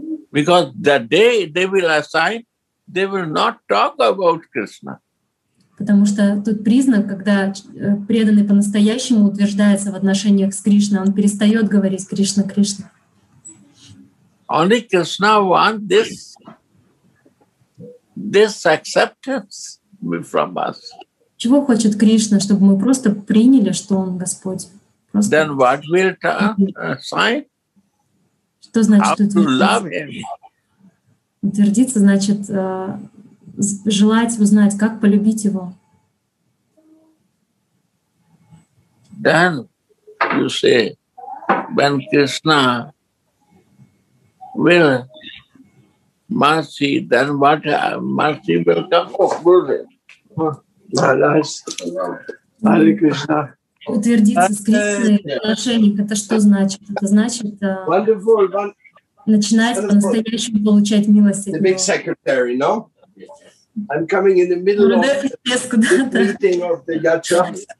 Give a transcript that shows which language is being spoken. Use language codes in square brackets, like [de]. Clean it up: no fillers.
[en] Because the day they will assign, they will not talk about Krishna. [ru] Потому что тут признак, когда преданный по-настоящему утверждается в отношениях с Кришной, он перестает говорить Кришна, Кришна. [en] Only Krishna wants this acceptance from us. [ru] Чего хочет Кришна, чтобы мы просто приняли, что Он Господь? Просто. [en] Then what will assign? [ru] Что значит утвердиться? Утвердиться значит желать узнать, как полюбить его. [en] Then you say, when Krishna will mercy, then what mercy will come of Guru? Hare Krishna. [ru] Утвердиться с Кришной в отношениях, это что значит? Это значит начинать по-настоящему получать милость. [en] The big secretary, no? I'm coming in the middle of the meeting of the yatra.